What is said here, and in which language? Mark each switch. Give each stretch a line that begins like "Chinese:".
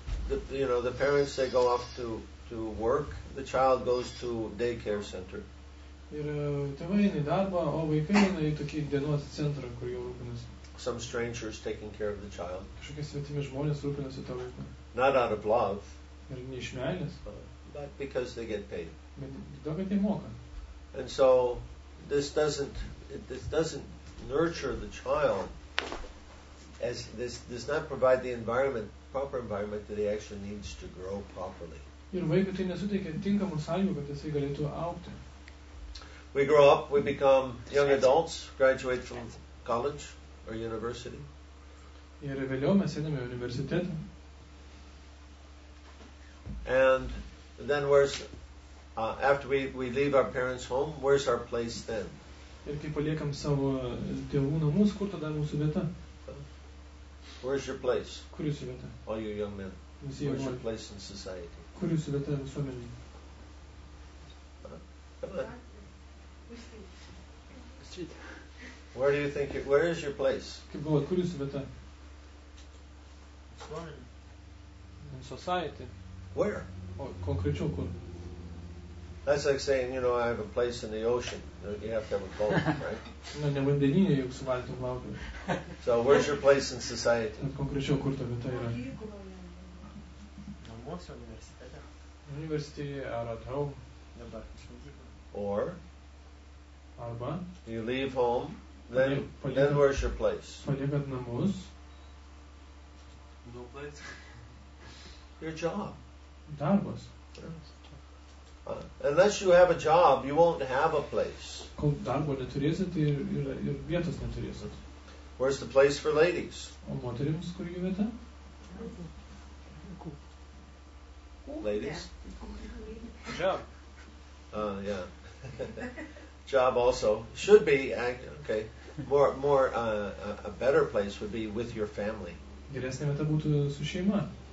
English: The parents they go off to work, the child goes to daycare center.
Lithuanian: Ir tėvai eina į darbą, o vaikai eina į tokį dienos centrą, kur jau rūpinasi.
English: Some strangers taking care of the child.
Lithuanian: Kažkokie svetimi žmonės rūpinasi tą vaiką.
English: Not out of love.
Lithuanian: Ir ne iš meilės.
English: But because they get paid.
Lithuanian: Bet dėl kad jie moka.
English: And so this doesn't nurture the child. As this does not provide the environment, proper environment that he actually needs to grow properly.
Lithuanian: Ir vaikui tai nesuteikia tinkamų sąlygų, kad jisai galėtų augti.
English: We grow up, we become young adults, graduate from college or university.
Lithuanian: Ir vėliau mes einame į universitetą.
English: And then where's after we leave our parents' home, where's our place then?
Lithuanian: Ir kai paliekam savo tėvų namus, kur tada mūsų vieta?
English: Where's your place?
Lithuanian: Kur jūsų vieta?
English: All you young men.
Lithuanian: Visi
English: where's your place in society?
Lithuanian: Kur jūsų vieta visuomenėje?
English: Where do you think it, where is your place?
Lithuanian: Kaip galvoj, kur jūsų vieta? Visuomenėje.
English: In society. Where?
Lithuanian: O konkrečiau kur?
English: That's like saying, you know, I have a place in the ocean. You have to have a boat, right?
Lithuanian: Na, ne vandenyje, juk su valtim plaukiu.
English: So, where's your place in society?
Lithuanian: Konkrečiau, kur ta vieta yra? Namuose, universitete. Universitete, ar
English: at home.
Lithuanian: Dabar,
English: or?
Lithuanian: Arba?
English: You leave home, then where's your place?
Lithuanian: Paliekat namus.
English: No place. Your job.
Lithuanian: Darbas.
English: Unless you have a job, you won't have a place.
Lithuanian: Kol darbo neturėsit ir vietos neturėsit.
English: Where's the place for ladies?
Lithuanian: O moterims kur jų vieta?
English: Ladies? Job. Yeah. Job also should be, okay, more a better place would be with your family.
Lithuanian: Geresnė vieta būtų su šeima.